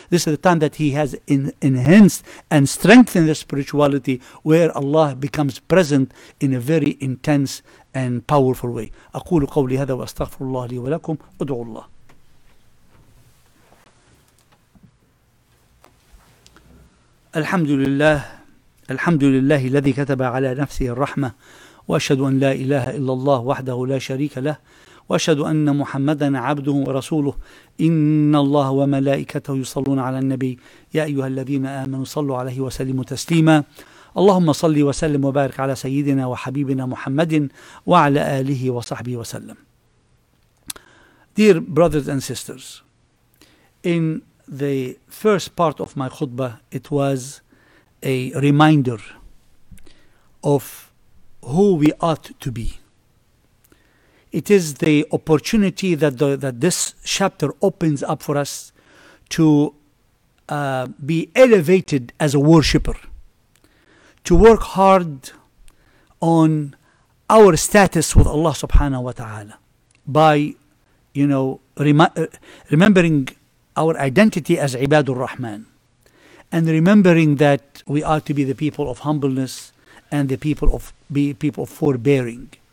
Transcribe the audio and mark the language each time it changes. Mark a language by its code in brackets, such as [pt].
[en] This is the time that he has enhanced and strengthened the spirituality, where Allah becomes present in a very intense and powerful way. [ar] أقول قولي هذا وأستغفر الله لي ولكم أدعو الله. الحمد لله. الحمد لله الذي كتب على نفسه الرحمة وأشهد أن لا إله إلا الله وحده لا شريك له وأشهد أن محمدا عبده ورسوله إن الله وملائكته يصلون على النبي يا أيها الذين آمنوا صلوا عليه وسلموا تسليما اللهم صل وسلم وبارك على سيدنا وحبيبنا محمد وعلى آله وصحبه وسلم. [en] Dear brothers and sisters, in the first part of my khutbah it was a reminder of who we ought to be. It is the opportunity that this chapter opens up for us to be elevated as a worshipper, to work hard on our status with Allah subhanahu wa ta'ala by, you know, remembering our identity as Ibadur Rahman, and remembering that we are to be the people of humbleness and the people of forbearing.